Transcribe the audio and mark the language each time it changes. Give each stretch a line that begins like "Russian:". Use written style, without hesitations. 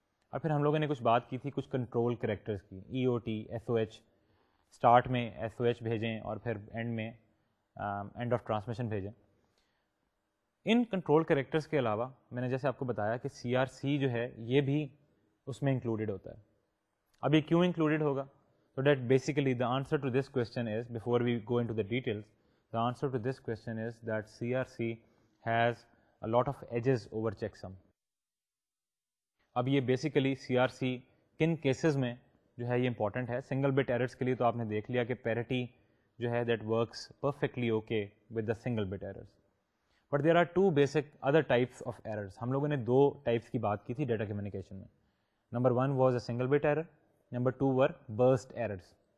Urdu: اور پھر ہم لوگوں نے کچھ بات کی تھی کچھ کنٹرول کریکٹرز کی, ای O T, S O H, start میں ایس او ایچ بھیجیں اور پھر اینڈ میں اینڈ آف ٹرانسمیشن بھیجیں. ان کنٹرول کریکٹرز کے علاوہ میں نے جیسے آپ کو بتایا کہ سی آر سی جو ہے یہ بھی اس میں انکلوڈیڈ ہوتا ہے. اب یہ کیوں انکلوڈیڈ ہوگا, تو
English: That basically the answer to this question is, before we go in to the details, the answer to this question is that C R C has a lot of edges over checksum.
Urdu: اب یہ basically C R C کن cases میں جو ہے یہ important ہے. Single bit errors کے لیے تو آپ نے دیکھ لیا کہ پیرٹی جو ہے
English: That works perfectly okay with the single bit errors, but there are two basic other types of errors.
Urdu: ہم لوگوں نے دو ٹائپس کی بات کی تھی ڈیٹا کمیونیکیشن میں,
English: Number one was a single bit error, number two or burst errors.